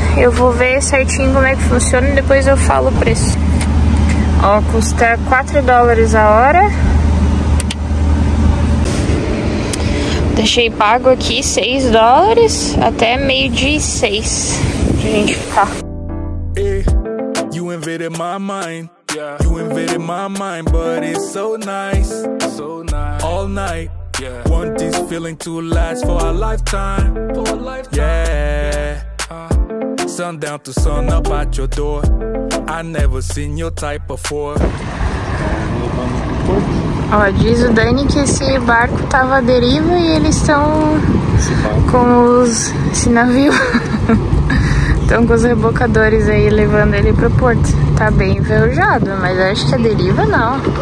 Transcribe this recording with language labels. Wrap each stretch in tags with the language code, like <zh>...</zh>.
<pt>Eu vou ver certinho como é que funciona e depois eu falo o preço. Ó, custa 4 dólares a hora. Deixei pago aqui 6 dólares até meio de 6 pra gente ficar.</pt> <en>Hey, you invaded my mind. Yeah. You invaded my mind, but it's so nice. So nice. All night. Yeah. Want this feeling to last for a lifetime. For a lifetime. Yeah. Sundown to sun up at your door. I never seen your type before.</en> <pt>Ó, diz o Dani que esse barco tava à deriva e eles estão com os. Esse navio. Estão com os rebocadores aí levando ele pro porto. Tá bem enferrujado, mas acho que a deriva não.</pt>